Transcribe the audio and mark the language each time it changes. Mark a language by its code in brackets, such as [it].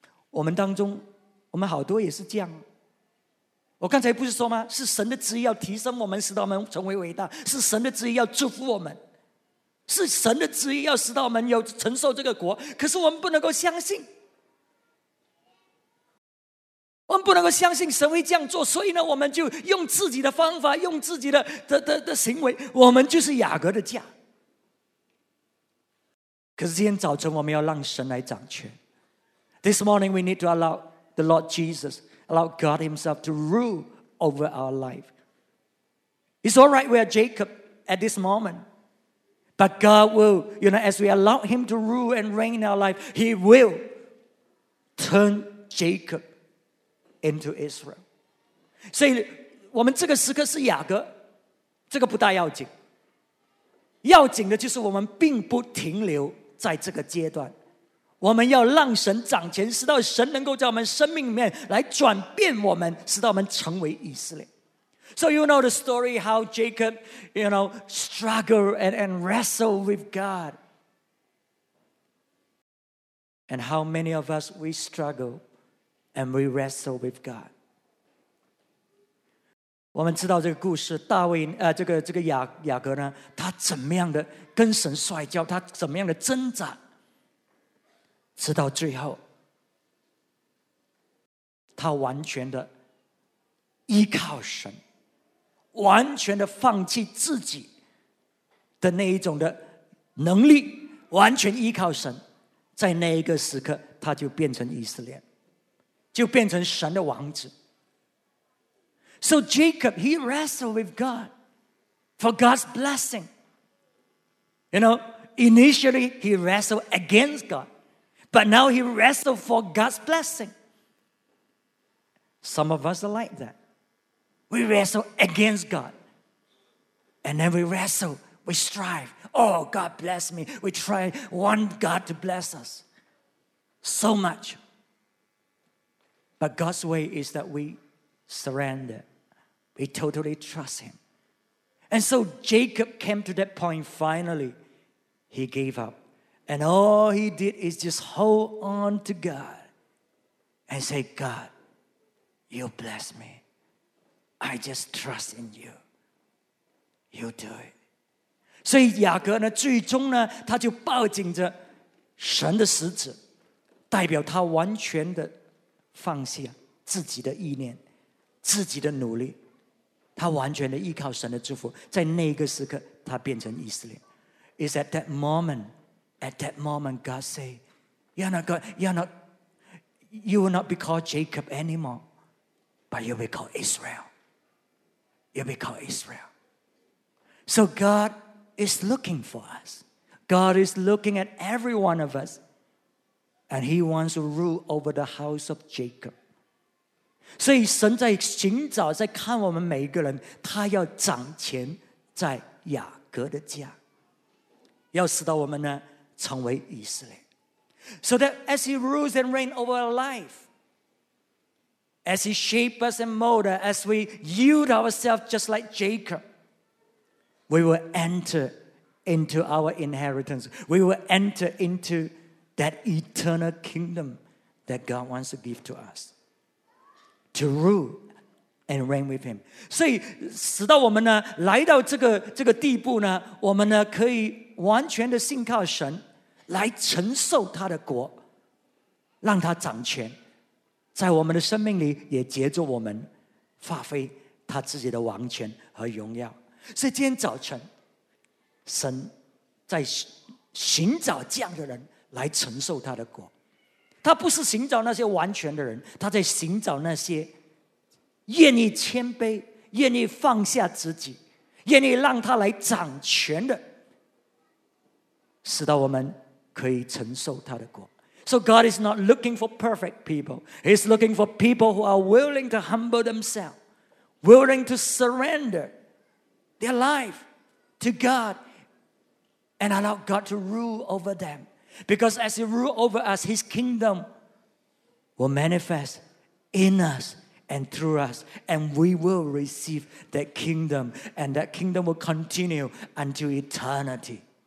[zh] 我们当中我们好多也是这样，我刚才不是说吗，是神的旨意要提升我们使到我们成为伟大，是神的旨意要祝福我们，是神的旨意要使到我们有承受这个国，可是我们不能够相信，我们不能够相信神会这样做，所以呢我们就用自己的方法，用自己的行为，我们就是雅各的家。可是今天早晨我们要让神来掌权。 [en] This morning we need to allow the Lord Jesus, allow God himself to rule over our life. It's all right, we are Jacob at this moment. But God will, you know, as we allow him to rule and reign in our life, he will turn Jacob into Israel. [zh] 所以我们这个时刻是雅各，这个不大要紧。要紧的就是我们并不停留在这个阶段，我们要让神掌权，使到神能够在我们生命里面来转变我们，使到我们成为以色列。 [en] So you know the story how Jacob, you know, struggled and wrestled with God. And how many of us, we struggle and we wrestle with God. [zh] 我们知道这个故事，大卫，这个雅各呢，他怎么样的跟神摔跤，他怎么样的挣扎，直到最后，他完全的依靠神。完全的放弃自己的那一种的能力，完全依靠神，在那一个时刻，他就变成以色列，就变成神的王子。 [en] So Jacob, he wrestled with God for God's blessing. You know, initially he wrestled against God, but now he wrestled for God's blessing. Some of us are like that. We wrestle against God. And then we wrestle, we strive. Oh, God bless me. We try, want God to bless us. So much. But God's way is that we surrender. We totally trust Him. And so Jacob came to that point, finally, he gave up. And all he did is just hold on to God and say, God, you bless me. I just trust in you. You do it. [zh] 所以雅各呢，最终呢，他就抱紧着神的实质，代表他完全的放下自己的意念，自己的努力，他完全的依靠神的祝福。在那个时刻，他变成以色列。 [en] It's at that moment, God say, you will not be called Jacob anymore, but you will be called Israel. You'll be called Israel. So God is looking for us. God is looking at every one of us. And he wants to rule over the house of Jacob. [zh] 所以神在寻找，在看我们每一个人，他要掌权在雅各的家，要使到我们呢成为以色列。 [en] So that as he rules and reigns over our life,As he shapes us and molds us, as we yield ourselves just like Jacob, we will enter into our inheritance. We will enter into that eternal kingdom that God wants to give to us. To rule and reign with him. [zh] 所以使到我们呢来到这个地步呢，我们呢可以完全的信靠神来承受他的国，让他掌权。在我们的生命里也藉着我们发挥他自己的王权和荣耀。所以今天早晨神在寻找这样的人来承受他的国，他不是寻找那些完全的人，他在寻找那些愿意谦卑，愿意放下自己，愿意让他来掌权的，使到我们可以承受他的国。 [en] So God is not looking for perfect people. He's looking for people who are willing to humble themselves, willing to surrender their life to God and allow God to rule over them. Because as he rules over us, his kingdom will manifest in us and through us, and we will receive that kingdom, and that kingdom will continue until eternity.